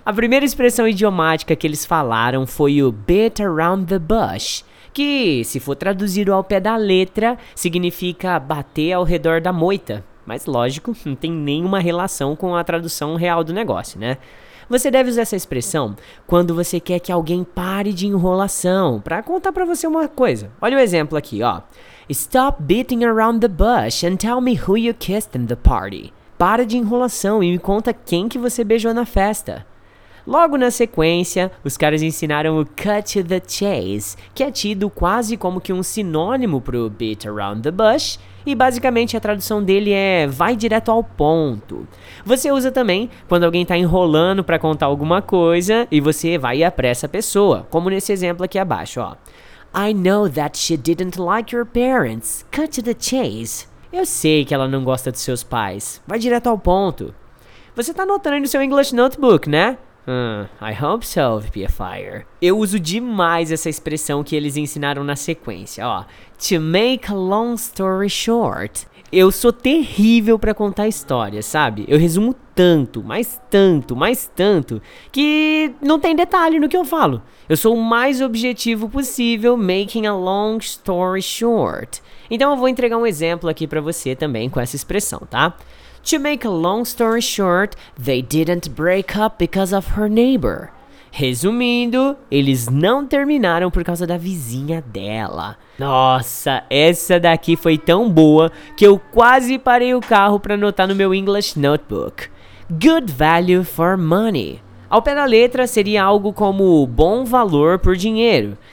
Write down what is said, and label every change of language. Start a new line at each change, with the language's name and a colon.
Portuguese: A primeira expressão idiomática que eles falaram foi o
English: beat around the bush,
Portuguese: que, se for traduzido ao pé da letra, significa bater ao redor da moita. Mas, lógico, não tem nenhuma relação com a tradução real do negócio, né? Você deve usar essa expressão quando você quer que alguém pare de enrolação, pra contar pra você uma coisa. Olha o exemplo aqui, ó.
English: Stop beating around the bush and tell me who you kissed in the party.
Portuguese: Para de enrolação e me conta quem que você beijou na festa. Logo na sequência, os caras ensinaram o
English: cut to the chase,
Portuguese: que é tido quase como que um sinônimo pro beat around the bush, e basicamente a tradução dele é vai direto ao ponto. Você usa também quando alguém tá enrolando pra contar alguma coisa e você vai e apressa a pessoa, como nesse exemplo aqui abaixo, ó.
English: I know that she didn't like your parents, cut to the chase.
Portuguese: Eu sei que ela não gosta dos seus pais, vai direto ao ponto. Você tá anotando aí no seu English Notebook, né?
English: I hope so,
Portuguese: VPFire. Eu uso demais essa expressão que eles ensinaram na sequência, ó.
English: To make a long story short.
Portuguese: Eu sou terrível pra contar histórias, sabe? Eu resumo tanto, mas tanto, mas tanto, que não tem detalhe no que eu falo. Eu sou o mais objetivo possível,
English: making a long story short.
Portuguese: Então eu vou entregar um exemplo aqui pra você também com essa expressão, tá?
English: To make a long story short, they didn't break up because of her neighbor.
Portuguese: Resumindo, eles não terminaram por causa da vizinha dela. Nossa, essa daqui foi tão boa que eu quase parei o carro pra anotar no meu English Notebook.
English: Good value for money.
Portuguese: Ao pé da letra, seria algo como bom valor por dinheiro.